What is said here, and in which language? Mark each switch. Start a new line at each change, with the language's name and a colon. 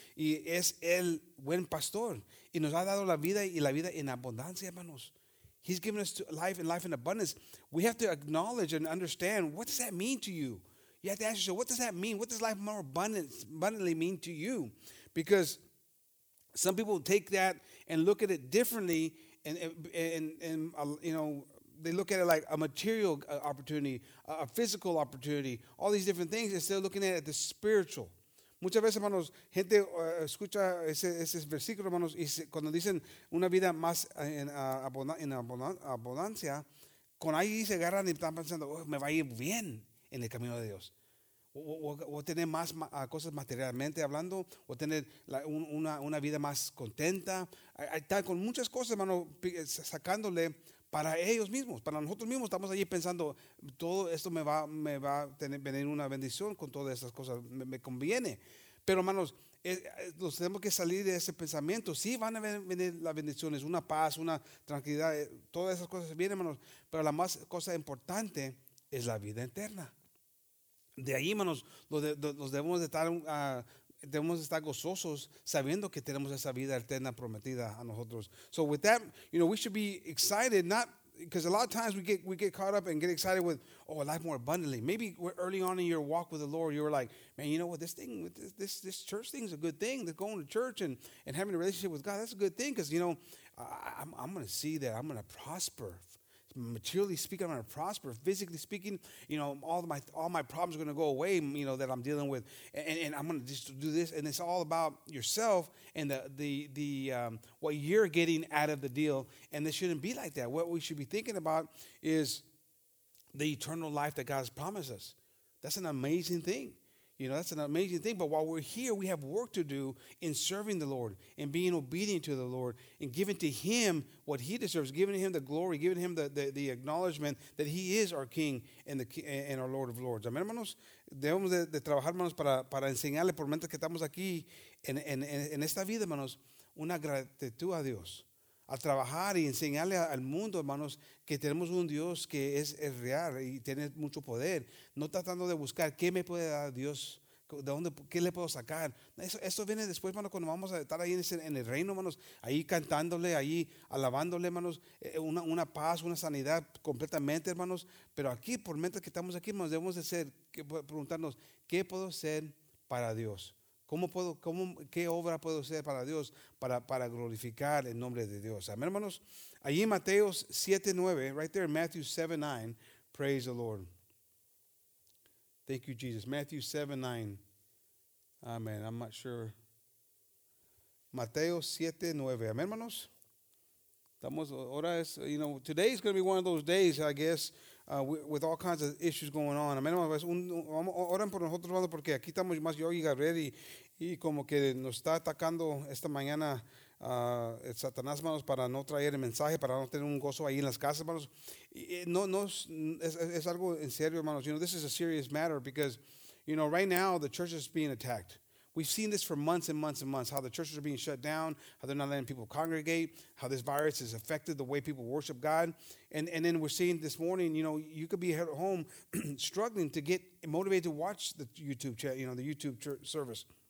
Spanish: Y es el buen pastor. Y nos ha dado la vida y la vida en abundancia, hermanos.
English: He's given us life and life in abundance. We have to acknowledge and understand, what does that mean to you? You have to ask yourself, what does that mean? What does life more abundantly mean to you? Because some people take that and look at it differently. And you know, they look at it like a material opportunity, a physical opportunity, all these different things, instead of looking at it, the spiritual.
Spanish: Muchas veces, hermanos, gente escucha ese versículo, hermanos, y cuando dicen una vida más en abundancia, con ahí se agarran y están pensando, oh, me va a ir bien en el camino de Dios. O tener más cosas materialmente hablando, o tener una vida más contenta. Están con muchas cosas, hermano, sacándole. Para ellos mismos, para nosotros mismos, estamos allí pensando, todo esto me va a venir una bendición con todas esas cosas, me conviene. Pero hermanos, nos tenemos que salir de ese pensamiento. Sí van a venir las bendiciones, una paz, una tranquilidad, todas esas cosas vienen, hermanos. Pero la más cosa importante es la vida eterna. De ahí, hermanos, nos debemos de estar debemos estar gozosos sabiendo que tenemos esa vida eterna prometida a nosotros.
English: So with that, you know, we should be excited, not because a lot of times we get caught up and get excited with, oh, life more abundantly. Maybe early on in your walk with the Lord, you were like, man, you know what, this thing, this church thing is a good thing. That going to church and having a relationship with God, that's a good thing because, you know, I'm going to see that. I'm going to prosper. Materially speaking, I'm going to prosper. Physically speaking, you know, all my problems are going to go away, you know, that I'm dealing with. And I'm going to just do this. And it's all about yourself and the what you're getting out of the deal. And it shouldn't be like that. What we should be thinking about is the eternal life that God has promised us. That's an amazing thing. You know, that's an amazing thing. But while we're here, we have work to do in serving the Lord and being obedient to the Lord and giving to him what he deserves, giving him the glory, giving him the acknowledgement that he is our King and our Lord of Lords.
Spanish: Amen, hermanos. Debemos de trabajar, hermanos, para enseñarle por mientras que estamos aquí en esta vida, hermanos, una gratitud a Dios. A trabajar y enseñarle al mundo, hermanos, que tenemos un Dios que es real y tiene mucho poder. No tratando de buscar qué me puede dar Dios, qué le puedo sacar. Eso viene después, hermanos, cuando vamos a estar ahí en el reino, hermanos, ahí cantándole, ahí alabándole, hermanos, una paz, una sanidad completamente, hermanos. Pero aquí, por mientras que estamos aquí, hermanos, debemos preguntarnos, ¿qué puedo hacer para Dios? ¿Qué obra puedo hacer para Dios para glorificar el nombre de Dios? Amén, hermanos. Allí en Mateo 7:9,
English: right there in Matthew 7:9, praise the Lord. Thank you, Jesus. Matthew 7:9. Amen. I'm not sure.
Spanish: Mateo 7:9. Amén, hermanos. Estamos ahora es,
English: you know, today is going to be one of those days, I guess, with all kinds of issues going on. Amen.
Spanish: Oren por nosotros, hermanos, porque aquí estamos más yo y Gabriel y como que nos está atacando esta mañana el Satanás, hermanos, para no traer el mensaje, para no tener un gozo ahí en las casas, hermanos. No es algo en serio, hermanos.
English: You know, this is a serious matter because, you know, right now the church is being attacked. We've seen this for months and months and months, how the churches are being shut down, how they're not letting people congregate, how this virus has affected the way people worship God. And then we're seeing this morning, you know, you could be at home struggling to get motivated to watch the YouTube chat, you know, the YouTube church service.